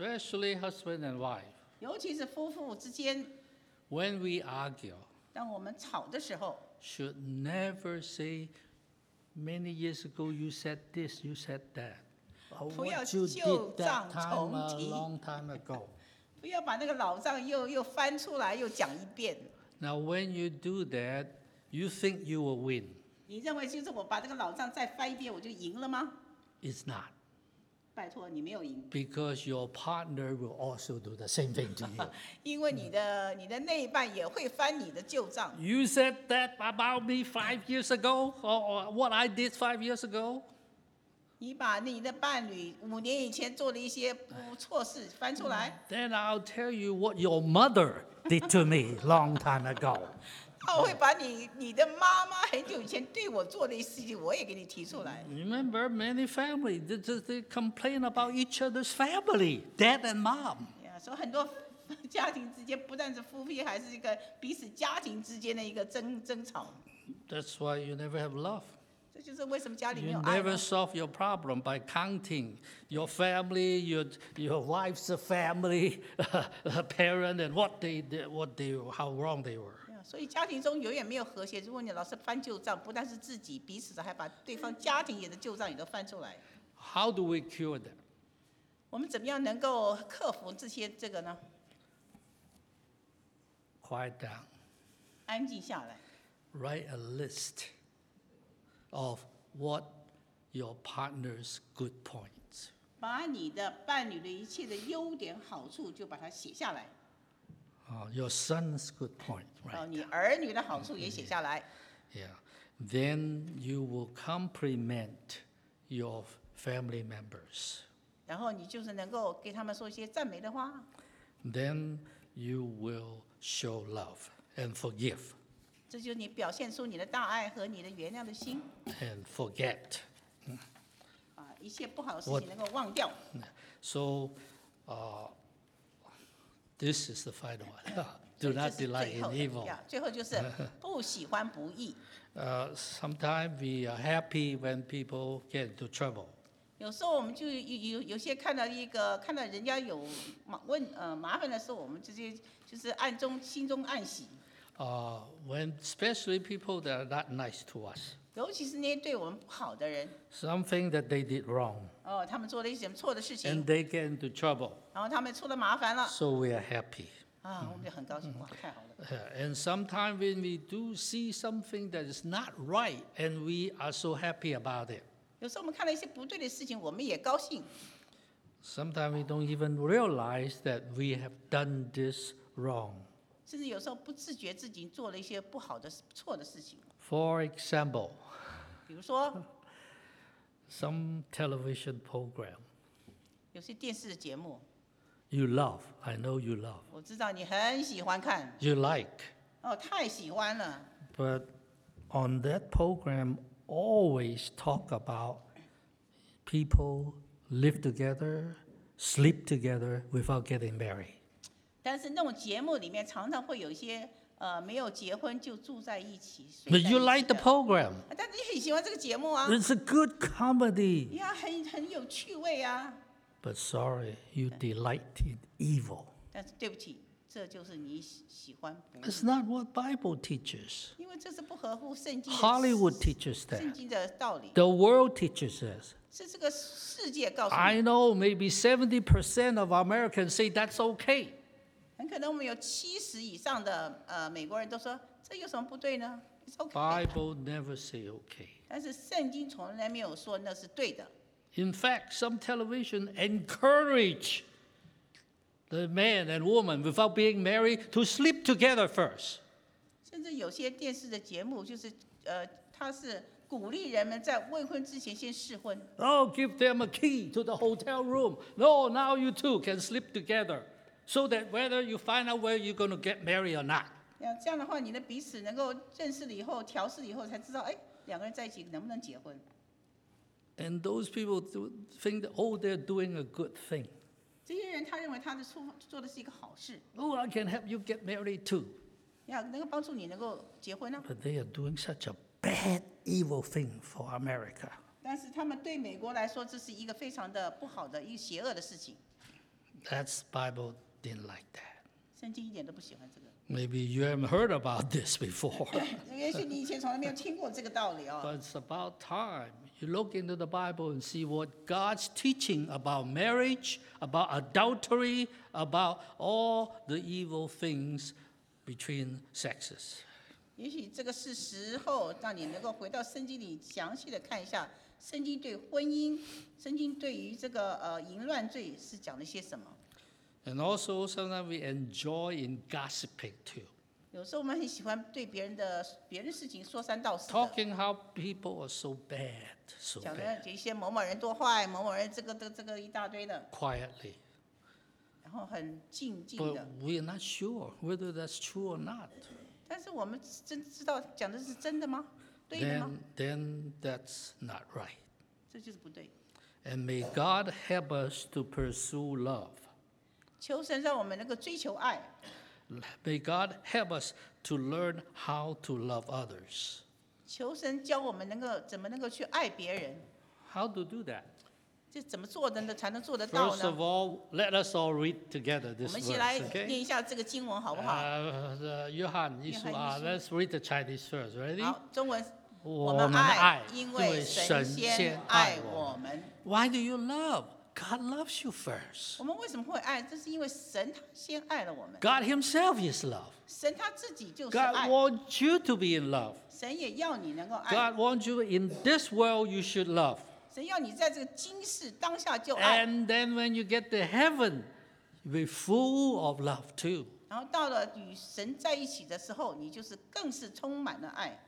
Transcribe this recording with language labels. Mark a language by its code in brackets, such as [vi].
[en] Especially husband and wife. [zh] 尤其是夫妇之间。 [en] When we argue. [zh] 当我们吵的时候。 [en] Should never say, many years ago you said this, you said that. [zh] 不要旧账重提。 [en] A long time ago. [zh] 不要把那个老账又翻出来又讲一遍。 [en] Now when you do that, you think you will win. [zh] 你认为就是我把这个老账再翻一遍，我就赢了吗 [en] ？It's not. [zh] 拜托，你没有赢。 [en] Because your partner will also do the same thing to you. [zh] 因为你的那一半也会翻你的旧账。 [en] You said that about me 5 years ago, or what I did 5 years ago. [zh] 你把你的伴侣五年以前做的一些不错事翻出来。 [en] Then I'll tell you what your mother did to me long time ago. [zh] 那我会把你的妈妈很久以前对我做的事情，我也给你提出来。 [en] Remember, many families they complain about each other's family, dad and mom. [zh] Yeah, 所以很多家庭之间不但是夫妻，还是一个彼此家庭之间的一个争吵。 [en] That's why you never have love. [zh] 就是为什么家里没 [en] 有爱。 You never solve your problem by counting your family, your wife's family, parent, and how wrong they were. [zh] Yeah, 所以家庭中永远没有和谐。如果你老是翻旧账，不但是自己彼此的，还把对方家庭也的旧账也都翻出来。 [en] How do we cure them? [zh] 我们怎么样能够克服这个呢？ [en] Quiet down. [zh] 安静下来。 [en] Write a list. Of what your partner's good points. [zh] 把你的伴侣的一切的优点好处就把它写下来。 [en] Your son's good points, right? [zh] 你儿女的好处也写下来。 [en] Yeah. Then you will compliment your family members. [zh] 然后你就是能够给他们说一些赞美的话。 [en] Then you will show love and forgive. [zh] 这就是你表现出你的大爱和你的原谅的心。 [en] And forget. [zh] 把一切不好的事情能够忘掉。 [en] So, this is the final one. Do not delight in evil. [zh] 最后就是不喜欢不义。 [en] Sometimes we are happy when people get into trouble. [zh] 有时候我们就有些看到人家有麻烦的时候，我们就是暗中心中暗喜。 [en] When especially people that are not nice to us, [zh] 尤其是那些对我们不好的人 [en] something that they did wrong, [zh] 他们做了一些错的事情 [en] and they get into trouble, [zh] 然后他们出了麻烦了 [en] so we are happy, [zh] 我们就很高兴，太好了 [en] and sometimes when we do see something that is not right, and we are so happy about it, [zh] 有时候我们看到一些不对的事情，我们也高兴 [en] sometimes we don't even realize that we have done this wrong. [zh] 甚至有时候不自觉自己做了一些不好的、错的事情。 [en] For example, [zh] 比如说 [en] ，some television program, [zh] 有些电视节目。 [en] You love, I know you love. [zh] 我知道你很喜欢看。 [en] You like. [zh] 太喜欢了。 [en] But on that program, always talk about people live together, sleep together without getting married. [zh] 但是那种节目里面常常会有一些没有结婚就住在一起。 [en] But you like the program. [zh] 但你很喜欢这个节目啊。 [en] It's a good comedy. [zh] 很有趣味啊。 [en] But sorry, you delight in evil. [zh] 但是对不起，这就是你喜欢。 [en] It's not what Bible teaches. [zh] 因为这是不合乎圣经。 [en] Hollywood teaches that. [zh] 圣经的道理。 [en] The world teaches this. [zh] 是这个世界告诉你。 [en] I know maybe 70% of Americans say that's okay. [zh] 很可能我们有70%以上的美国人都说这有什么不对呢 ？ [en] It's okay. Bible never say okay. [zh] 但是圣经从来没有说那是对的。 [en] In fact, some television encourage the man and woman without being married to sleep together first. [zh] 甚至有些电视的节目就是它是鼓励人们在未婚之前先试婚。 [en] Oh, give them a key to the hotel room. No, now you two can sleep together. So that whether you find out where you're going to get married or not. [zh] 这样的话你的彼此能够认识了以后调试了以后才知道两个人在一起能不能结婚。 [en] And those people think that, oh, they're doing a good thing. [zh] 这些人他认为他做的是一个好事。 [en] Oh, I can help you get married too. [zh] 能够帮助你能够结婚啊。 [en] But they are doing such a bad, evil thing for America. [zh] 但是他们对美国来说这是一个非常的不好的一个邪恶的事情。 [en] That's Bible didn't like that. [zh] 圣经一点都不喜欢这个。 [en] Maybe you haven't heard about this before. [zh] 也许你以前从来没有听过这个道理 [en] But it's about time you look into the Bible and see what God's teaching about marriage, about adultery, about all the evil things between sexes. [zh] 也许这个是时候让你能够回到圣经里详细的看一下。圣经对婚姻，圣经对于这个淫乱罪是讲了些什么 [en] ？And also sometimes we enjoy in gossiping too. [zh] 有时候我们很喜欢对别人的别人事情说三道四。 Talking how people are so bad, so bad. 讲的这些某某人多坏，某某人这个一大堆的。 Quietly. 然后很静静的。 But we're not sure whether that's true or not. 但是我们真知道讲的是真的吗？对的吗 [en] ？Then that's not right. [zh] 这就是不对。 [en] And may God help us to pursue love. [zh] 求神让我们能够追求爱。 [en] May God help us to learn how to love others. [zh] 求神教我们能够怎么能够去爱别人。 [en] How to do that? [zh] 这怎么做的呢？才能做得到呢 [en] ？First of all, let us all read together this verse. [zh] 我们先来念一下这个经文，好不好？ [en] 约翰一书啊 ，Let's read the Chinese first. Ready? [zh] 好，中文。我们爱，因为神先爱我们。 [en] Why do you love? God loves you first. [zh] 我们为什么会爱？这是因为神他先爱了我们。 [en] God Himself is love. [zh] 神他自己就是爱。 [en] God wants you to be in love. [zh] 神也要你能够爱。 [en] God wants you in this world. You should love. [zh] 神要你在这个今世当下就爱。 [en] And then when you get to heaven, you'll be full of love too. [zh] 然后到了与神在一起的时候，你就是更是充满了爱。